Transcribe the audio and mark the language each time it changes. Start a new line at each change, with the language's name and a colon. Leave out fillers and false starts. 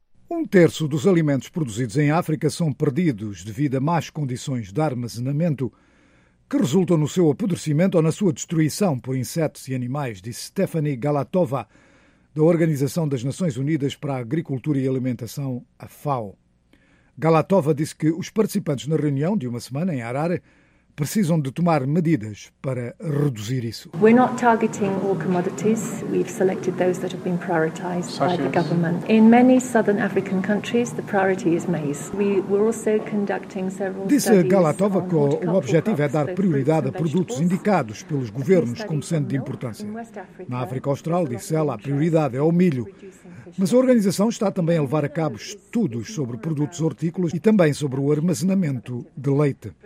Portuguese: Um terço dos alimentos produzidos em África são perdidos devido a más condições de armazenamento, que resultam no seu apodrecimento ou na sua destruição por insetos e animais, disse Stephanie Galatova, da Organização das Nações Unidas para a Agricultura e Alimentação, a FAO. Galatova disse que os participantes na reunião de uma semana em Harare precisam de tomar medidas para reduzir isso.
English: We're not targeting all commodities. We've selected those that have been prioritized by the government. In many southern African countries, the priority is maize. We were also conducting several studies.
Portuguese: Disse Galatova que o objetivo é dar prioridade a produtos indicados pelos governos como sendo de importância. Na África Austral, disse ela, a prioridade é o milho. Mas a organização está também a levar a cabo estudos sobre produtos hortícolas e também sobre o armazenamento de leite.